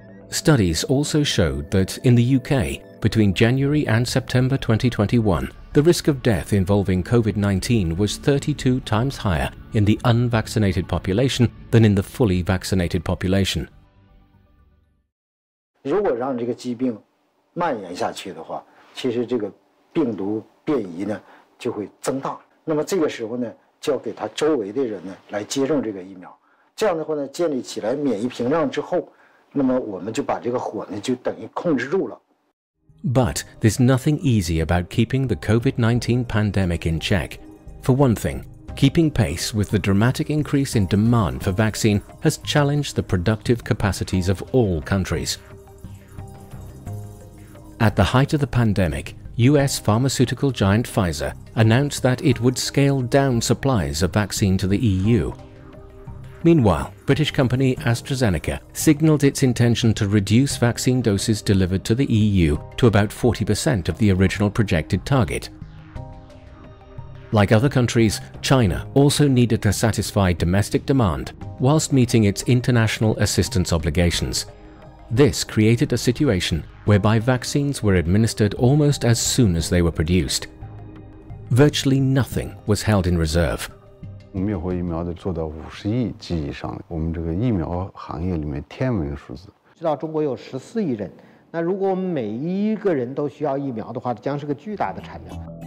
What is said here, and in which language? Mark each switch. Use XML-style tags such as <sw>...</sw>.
<en>Studies also showed that in the UK, between January and September 2021, the risk of death involving COVID-19 was 32 times higher in the unvaccinated population than in the fully vaccinated population.</en> <zh>如果让这个疾病蔓延下去的话，其实这个病毒变异呢就会增大。那么这个时候呢，就要给他周围的人呢来接种这个疫苗。这样的话呢，建立起来免疫屏障之后。那么我们就把这个火呢，就等于控制住了。</zh> <en>But there's nothing easy about keeping the COVID-19 pandemic in check. For one thing, keeping pace with the dramatic increase in demand for vaccine has challenged the productive capacities of all countries. At the height of the pandemic, US pharmaceutical giant Pfizer announced that it would scale down supplies of vaccine to the EU. Meanwhile, British company AstraZeneca signalled its intention to reduce vaccine doses delivered to the EU to about 40% of the original projected target. Like other countries, China also needed to satisfy domestic demand whilst meeting its international assistance obligations. This created a situation whereby vaccines were administered almost as soon as they were produced. Virtually nothing was held in reserve.</en> <zh>灭活疫苗得做到50亿剂以上，我们这个疫苗行业里面天文数字。知道中国有14亿人，那如果我们每一个人都需要疫苗的话，将是个巨大的产量。</zh>